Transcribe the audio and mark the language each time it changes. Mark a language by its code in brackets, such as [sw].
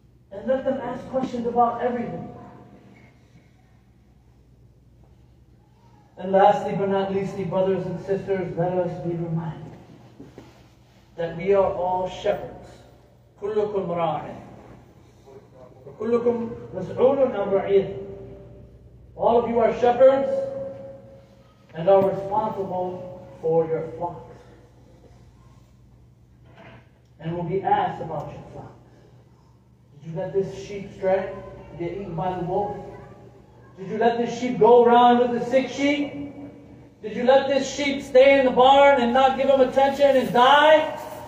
[en] And let them ask questions about everything. And lastly, but not leastly, brothers and sisters, let us be reminded that we are all shepherds. [ar] كلكم راعي وكلكم مسؤول عن رعيته. [en] All of you are shepherds and are responsible for your flocks. And will be asked about your flocks. Did you let this sheep stray? get eaten by the wolf? Did you let this sheep go around with the sick sheep? Did you let this sheep stay in the barn and not give them attention and die?